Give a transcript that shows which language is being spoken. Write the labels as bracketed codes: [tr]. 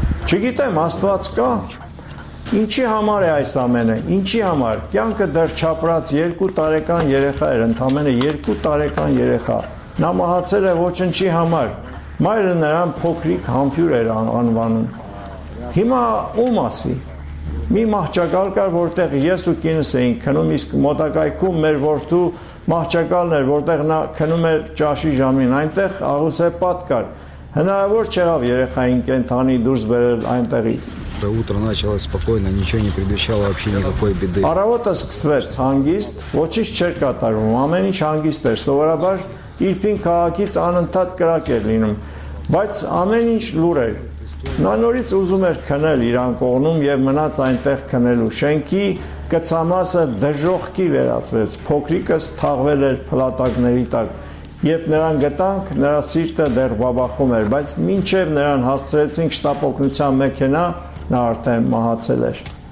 [hy] Չգիտեմ, աստված կա։ Ինչի համար է այս ամենը, ինչի համար։ Կյանքը դեռ չապրած 2 տարեկան երեխա էր, ընդամենը 2 տարեկան երեխա։ Նա մահացել է ոչնչի համար, մայրը նրան փոքրիկ համբյուր էր անվանում։ Հիմա ում ասի։ Մի մահճակալ կար, որտեղ ես ու կինս էինք քնում, իսկ մոտակայքում մեր որդու մահճակալն էր, որտեղ նա քնում էր ճաշի ժամին, այնտեղ աղյուսե պատ կար, հնարավոր չեղավ երեխային կենդանի դուրս բերել այնտեղից։ [ru] Это утро началось спокойно, ничего не предвещало вообще никакой беды. А работа сквец хангист, [hy] ոչինչ չէր կատարվում, ամեն ինչ հանգիստ էր, սովորաբար իրպին քաղաքից անընդհատ կրակ էր լինում, բայց ամեն ինչ լուր էր։ Նա նորից ուզում էր քնել իր անկողնում և մնաց այնտեղ քնելու։ Շենքի կցամասը դժողքի վերածվեց, փոքրիկս թաղվել էր փլատակների տակ։ Երբ նրան գտանք, նրա սիրտը դեռ բաբախում էր, բայց մինչև նրան հասցրեցինք շտապ օգնության մեքենա, նա արդեն մահացել էր։